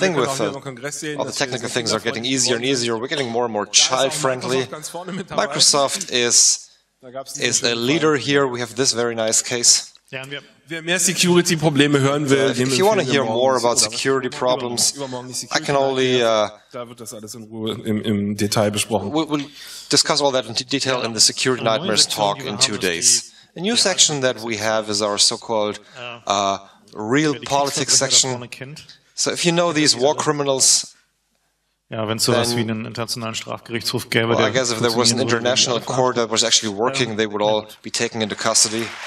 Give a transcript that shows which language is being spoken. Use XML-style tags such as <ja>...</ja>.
<en>The thing with all the technical things are getting easier and easier. We're getting more and more child-friendly. Microsoft is a leader here. We have this very nice case.</en> <de>Wer mehr Security-Probleme hören will,</de> <en>if you want to hear more about security problems, I can only...</en> <de>Da wird das alles in Ruhe im Detail besprochen.</de> <en>We'll discuss all that in detail in the Security Nightmares talk in 2 days. A new section that we have is our so-called... real politics section. So if you know these war criminals, well, I guess if there was an international court that was actually working, they would all be taken into custody.</en>